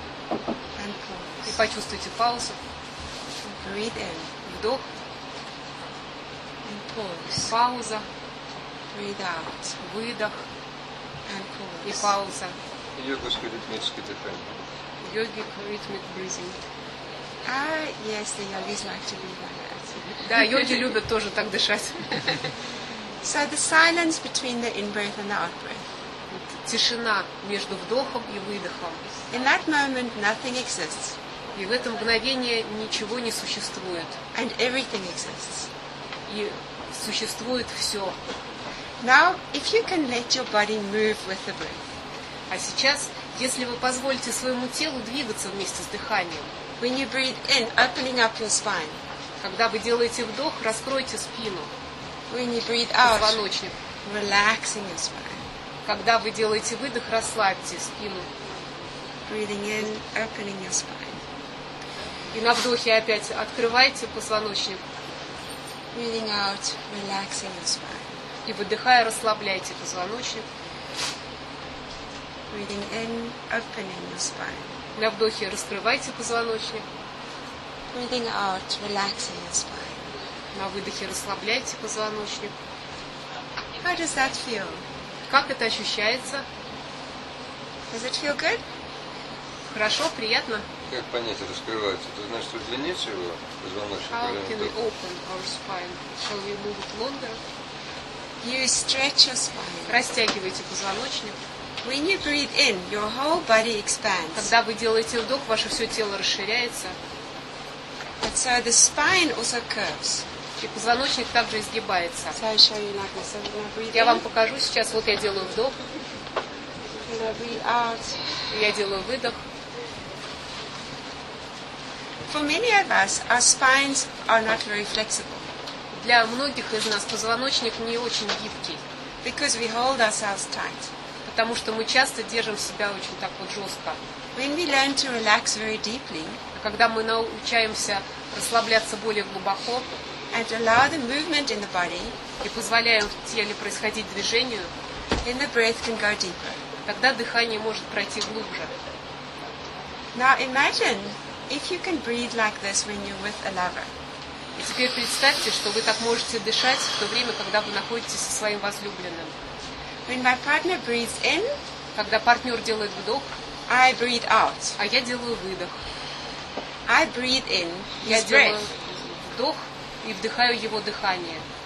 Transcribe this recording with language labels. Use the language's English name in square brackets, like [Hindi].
[English] And pause. [Russian] И почувствуйте паузу. [English] Breathe in. [Russian] Вдох. [English] And pause. [Russian] Пауза. [English] Breathe out. [Russian] Выдох. [English] And pause. [Russian] И пауза. Йогическое ритмическое дыхание. [English] Yogic rhythmic breathing. Ah, yes, the yogis like to breathe like that. [Russian] Да, йоги любят тоже так дышать. [English] So the silence between the in-breath and the out-breath. [Russian] Тишина между вдохом и выдохом. [English] In that moment, nothing exists. [Russian] И в это мгновение ничего не существует. [English] And everything exists. [Russian] И существует все. [English] Now, if you can let your body move with the breath. [Russian] А сейчас, если вы позволите своему телу двигаться вместе с дыханием, [English] when you breathe in, opening up your spine. [Russian] Когда вы делаете вдох, раскройте спину. [English] When you breathe out, [Russian] позвоночник. [English] Relaxing your spine. [Russian] Когда вы делаете выдох, расслабьте спину. [English] Breathing in, opening your spine. [Russian] И на вдохе опять открывайте позвоночник. [English] Breathing out, relaxing your spine. [Russian] И выдыхая, расслабляйте позвоночник. [English] Breathing in, opening your spine. [Russian] На вдохе раскрывайте позвоночник. [English] Breathing out, relaxing your spine. [Russian] На выдохе расслабляйте позвоночник. [English] How does that feel? [Russian] Как это ощущается? [English] Does it feel good? [Russian] Хорошо, приятно. Как понять, раскрывается? Это значит, что удлинить его позвоночник? [English] How can we open our spine? Shall we move it longer? You stretch your spine. [Russian] Растягивайте позвоночник. [English] When you breathe in, your whole body expands. [Russian] Когда вы делаете вдох, ваше все тело расширяется. [English] But so the spine also curves. [Russian] И позвоночник также изгибается. [English] So I'll show you like this. I'm gonna breathe [Russian] in. Я вам покажу сейчас. Вот я делаю вдох. [English] I'm gonna breathe out. [Russian] Я делаю выдох. [English] For many of us, our spines are not very flexible. [Russian] Для многих из нас позвоночник не очень гибкий. [English] Because we hold ourselves tight. [Russian] Потому что мы часто держим себя очень так вот жестко. [English] When we learn to relax very deeply, [Russian] когда мы научаемся расслабляться более глубоко, [English] and allow the movement in the body, [Russian] и позволяем в теле происходить движению, [English] then the breath can go deeper. [Russian] Тогда дыхание может пройти глубже. [English] Now imagine if you can breathe like this when you're with a lover. [Russian] И теперь представьте, что вы так можете дышать в то время, когда вы находитесь со своим возлюбленным. [English] When my partner breathes in, [Russian] когда партнер делает вдох, [English] I breathe out. [Russian] А я делаю выдох. [English] I breathe in. [Russian] Я делаю вдох и вдыхаю его дыхание.